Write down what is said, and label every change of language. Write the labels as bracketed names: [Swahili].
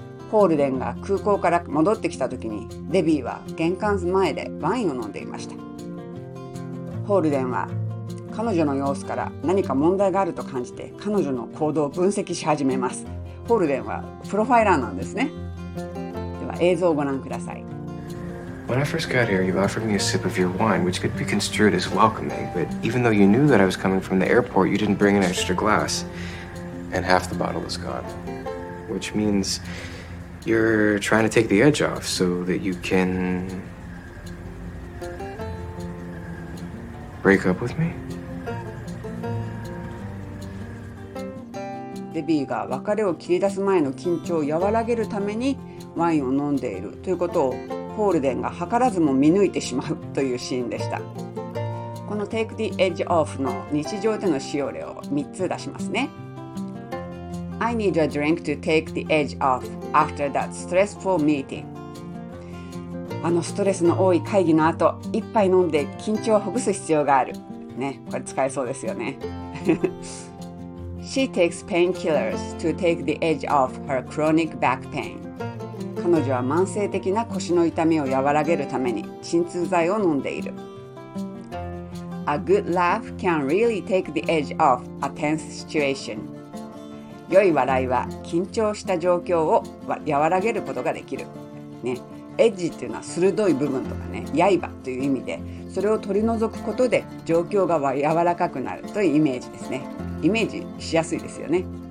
[Japanese] ホールデンが空港から戻ってきた時に、デビーは玄関前でワインを飲んでいました。ホールデンは、彼女の様子から何か問題があると感じて彼女の行動を分析し始めます。ホールデンはプロファイラーなんですね。では映像をご覧ください。 [English] When I first got here, you offered me a sip of your wine, which could be construed as welcoming, but even though you knew that I was coming from the airport, you didn't bring an extra glass, and half the bottle is gone, which means you're trying to take the edge off so that you can break up with me? [Japanese] デビーが別れを切り出す前の緊張を和らげるためにワインを飲んでいるということをホールデンが計らずも見抜いてしまうというシーンでした。この [English] Take the edge off [Japanese] の日常での使用例を3つ出しますね。 [English] I need a drink to take the edge off after that stressful meeting. [Japanese] あのストレスの多い会議の後、一杯飲んで緊張をほぐす必要がある、ね、これ使えそうですよね。 [English] She takes painkillers to take the edge off her chronic back pain. [Japanese] 彼女は慢性的な腰の痛みを和らげるために鎮痛剤を飲んでいる。 [English] A good laugh can really take the edge off a tense situation. [Japanese] 良い笑いは緊張した状況を和らげることができる。ね、エッジっていうのは鋭い部分とかね、刃という意味で、それを取り除くことで状況が柔らかくなるというイメージですね。イメージしやすいですよね。